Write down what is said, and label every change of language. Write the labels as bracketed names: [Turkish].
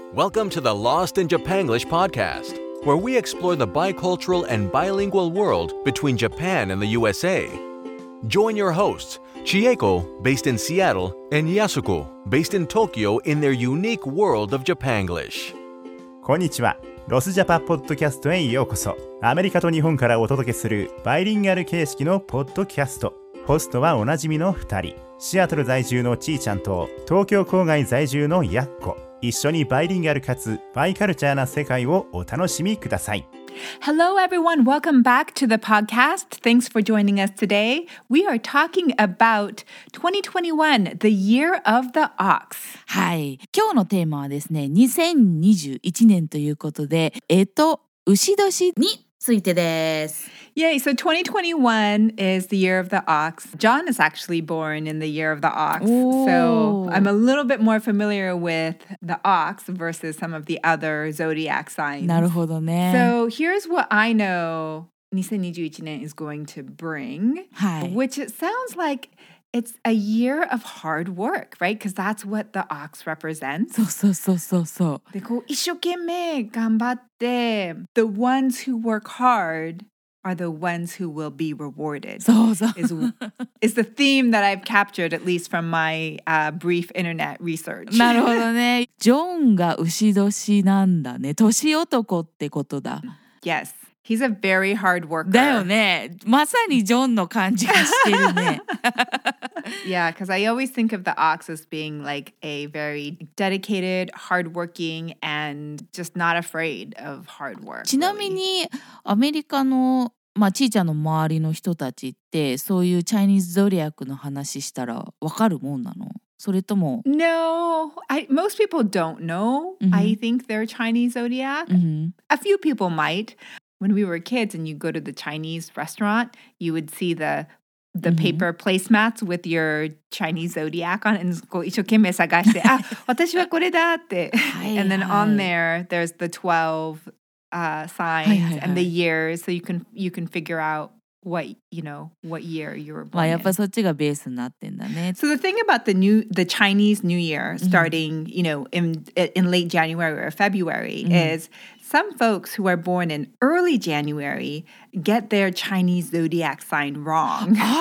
[English] Welcome to the Lost in Japanglish podcast, where we explore the bicultural and bilingual world between Japan and the USA. Join your hosts, Chieko, based in Seattle, and Yasuko, based in Tokyo, in their unique world of Japanglish. [Japanese] Konnichiwa. ロスジャパポッドキャストへようこそ。アメリカと日本からお届けするバイリンガル形式のポッドキャスト。ホストはおなじみの2人、シアトル在住のちーちゃんと東京郊外在住のやっこ。一緒にバイリンガルかつバイカルチャーな世界をお楽しみください。 [English] Hello everyone, welcome back to the podcast. Thanks for joining us today. We are talking about 2021, the year of the ox. [Japanese] はい、今日のテーマはですね、2021年ということで、牛年についてです。 [English] Yay, so 2021 is the year of the ox. John is actually born in the year of the ox. So I'm a little bit more familiar with the ox versus some of the other zodiac signs. [Japanese] なるほどね。 [English] So here's what I know 2021年 is going to bring. Hi. Which it sounds like it's a year of hard work, right? Because that's what the ox represents. [Japanese] そう。で、こう一生懸命頑張って、 [English] the ones who work hard... are the ones who will be rewarded. So is the theme that I've captured, at least from my brief internet research. [Japanese] なるほどね。ジョンが牛年なんだね。年男ってことだ。 [English] Yes, he's a very hard worker. [Japanese] だよね。まさにジョンの感じがしてるね。 [English] Yeah, because I always think of the ox as being like a very dedicated, hardworking, and just not afraid of hard work. [Japanese] ちなみに、アメリカの、まあ、ちーちゃんの周りの人たちって、そういうチャイニーズゾディアックの話したらわかるもんなの？それとも？ [English] No, most people don't know. I think they're Chinese zodiac. A few people might. When we were kids and you go to the Chinese restaurant, you would see the paper placemats with your Chinese zodiac on it, and [Japanese] こう一生懸命探して、あ、私はこれだって。 [English] And then on there, there's the 12 signs and the years, so you can figure out what year you were born. [Japanese] まあやっぱそっちがベースになってんだね。 [English] So the thing about the Chinese New Year starting, you know, in late January or February is some folks who are born in early January get their Chinese zodiac sign wrong.